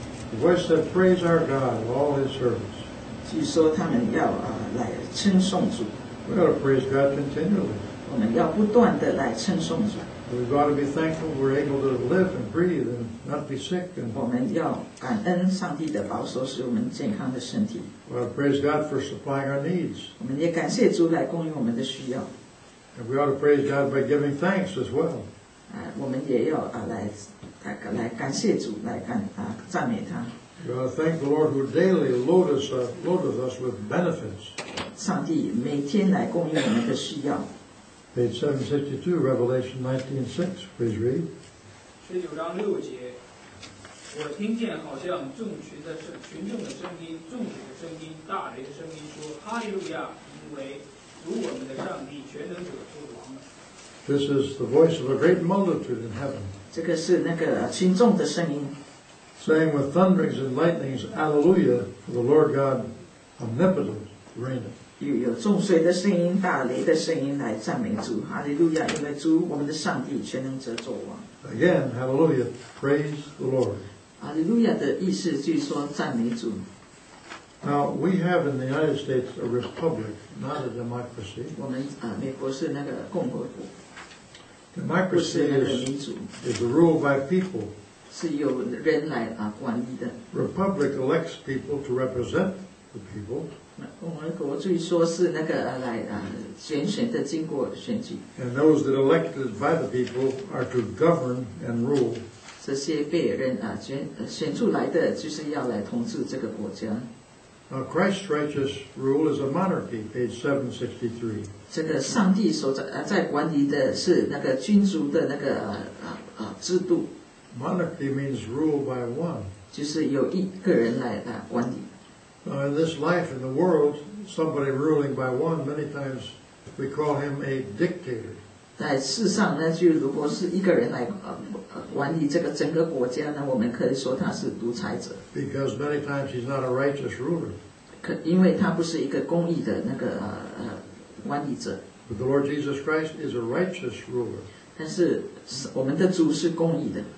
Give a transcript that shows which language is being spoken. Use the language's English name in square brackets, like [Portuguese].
[English] The voice said, "Praise our God, all His servants." [Chinese] 据说他们要来称颂主。 [English] We ought to praise God continually. [Chinese] 我们要不断的来称颂主。 [English] We've got to be thankful we're able to live and breathe and not be sick. [Chinese] 我们要感恩上帝的保守，使我们健康的身体。 [English] We ought to praise God for supplying our needs. [Chinese] 我们也感谢主来供应我们的需要。 [English] And we ought to praise God by giving thanks as well. [Chinese] 我们也要来感谢主，来赞美他。 [English] We ought to thank the Lord who daily loadeth us with benefits. [Chinese] 上帝每天来供应我们的需要。 [English] Page 762, Revelation 19:6, please read. [Chinese] 十九章六节，我听见好像群众的声音、众水的声音、大雷的声音说：“哈利路亚！因为主我们的上帝全能者作王了。” [English] This is the voice of a great multitude in heaven. [Chinese] 这个是那个群众的声音。 [English] Saying with thunderings and lightnings, "Alleluia! For the Lord God omnipotent reigneth." [Chinese] 有众水的声音、大雷的声音来赞美主。哈利路亚！因为主我们的上帝全能者作王。 [English] Again, "Hallelujah! Praise the Lord." [Chinese] 哈利路亚的意思据说赞美主。 [English] Now, we have in the United States a republic, not a democracy. [Chinese] 我们美国是那个共和国。 [English] Democracy is ruled by people. [Chinese] 是由人来管理的。 [English] Republic elects people to represent the people. [Chinese] 共和国据说是那个来选选的经过选举。 [English] And those that are elected by the people are to govern and rule. [Chinese] 这些被人选出来的就是要来统治这个国家。 [English] Now, Christ's righteous rule is a monarchy, page 763. [Chinese] 这个上帝所在管理的是那个君主的那个制度。 [English] Monarchy means rule by one. [Chinese] 就是由一个人来管理。 [English] Now, in this life, in the world, somebody ruling by one, many times we call him a dictator. [Chinese] 在世上呢，就如果是一个人来管理这个整个国家呢，我们可以说他是独裁者。 [English] Because many times he's not a righteous ruler. [Chinese] 因为他不是一个公义的那个管理者。 [English] But the Lord Jesus Christ is a righteous ruler. [Chinese] 但是我们的主是公义的。